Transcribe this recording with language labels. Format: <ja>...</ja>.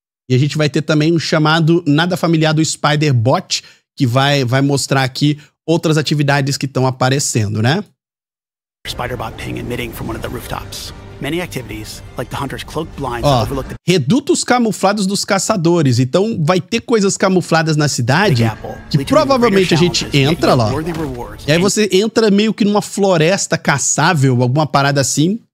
<pt>E a gente vai ter também um chamado nada familiar do Spider-Bot, que vai mostrar aqui outras atividades que estão aparecendo, né?</pt> <en>Spider-Bot ping emitting from one of the rooftops. Many activities, like the hunter's cloak blinds, overlook the...</en> <pt>Redutos camuflados dos caçadores. Então vai ter coisas camufladas na cidade que provavelmente a gente entra lá. E aí você entra meio que numa floresta caçável, alguma parada assim.</pt>